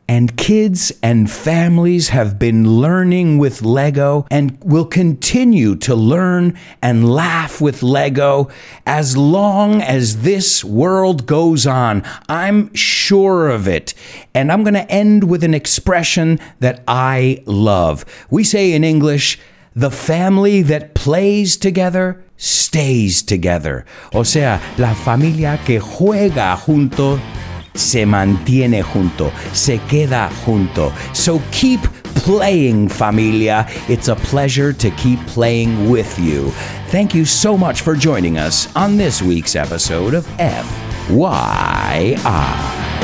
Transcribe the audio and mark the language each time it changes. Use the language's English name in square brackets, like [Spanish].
[English] And kids and families have been learning with Lego and will continue to learn and laugh with Lego as long as this world goes on. I'm sure of it. And I'm going to end with an expression that I love. We say in English, the family that plays together stays together. [Spanish] O sea, la familia que juega junto se mantiene junto, se queda junto. [English] So keep playing, familia. It's a pleasure to keep playing with you. Thank you so much for joining us on this week's episode of FYI.